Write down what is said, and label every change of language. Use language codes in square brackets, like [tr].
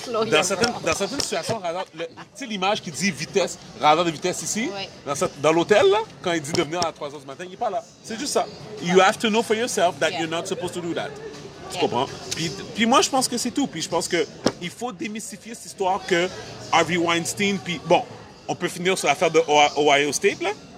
[fr] Dans certaines situations, radar... Tu sais l'image qui dit vitesse, radar de vitesse ici, oui. dans l'hôtel, là, quand il dit de venir à 3h du matin, il n'est pas là. C'est juste ça. [en] You have to know for yourself that you're not supposed to do that. [fr] Tu comprends? Puis moi, je pense que c'est tout. Puis je pense qu'il faut démystifier cette histoire que Harvey Weinstein, puis bon, on peut finir sur l'affaire de Ohio State, là.